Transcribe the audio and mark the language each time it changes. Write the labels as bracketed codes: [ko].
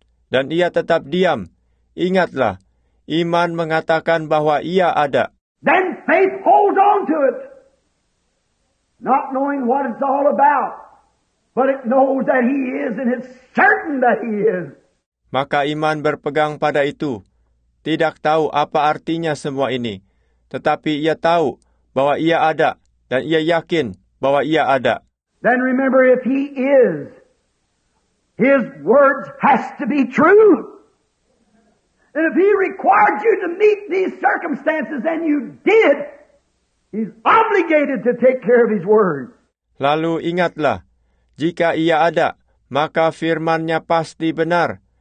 [id] Dan ia tetap diam. Ingatlah, iman mengatakan bahwa ia ada. [en] Then faith holds on to it, not knowing what it's all about, but it knows that he is and it's certain that he is. [id] Maka iman berpegang pada itu. Tidak tahu apa artinya semua ini, tetapi ia tahu bahwa ia ada dan ia yakin bahwa ia ada. [en] Then remember, if he is, his words has to be true. And if he required you to meet these circumstances, and you did, he's obligated to take care of his word. [id] Lalu ingatlah, jika ia ada, maka firman-Nya pasti benar.